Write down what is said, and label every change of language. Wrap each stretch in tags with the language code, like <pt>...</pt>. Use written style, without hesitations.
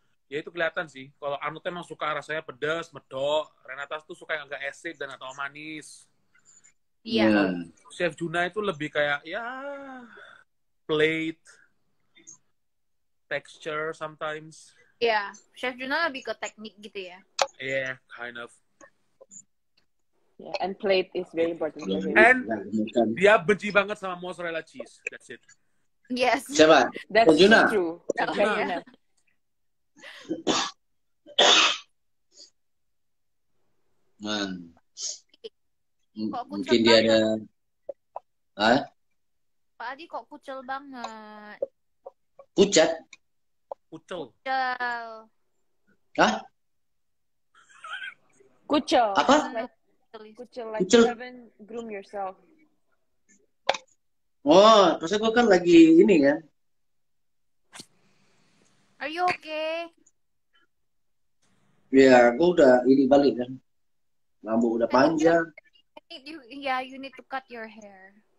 <id>Ya itu kelihatan sih. Kalau Arnold emang suka rasanya pedas, medok, Renata tuh suka yang agak acid dan atau manis. Iya. Yeah. Chef Juna itu lebih kayak ya</id> <en>plate texture sometimes. Iya, yeah.</en> <id>Chef Juna lebih ke teknik gitu ya. Iya, yeah, kind of.</id> <en>Yeah, and plate is very important.</en> <id>And dia benci banget sama mozzarella cheese.</id> <en>That's it. Yes.</en> <id>Siapa?</id> <en>That's Juna. True. Juna. Okay, yeah.</en> <id>Man. Mungkin dia ada. Hah? Pak Adi kok kucel banget? Pucat? Kucel. Kucel. Hah? Kucel. Apa? Kucel, like kucel.</id> <en>You haven't groomed yourself.</en> <id>Oh, maksudnya gue kan lagi ini kan.</id> <en>Are you okay?</en> <id>Ya, gue udah ini balik kan. Rambut udah panjang.</id> <en>You need to cut your hair.</en>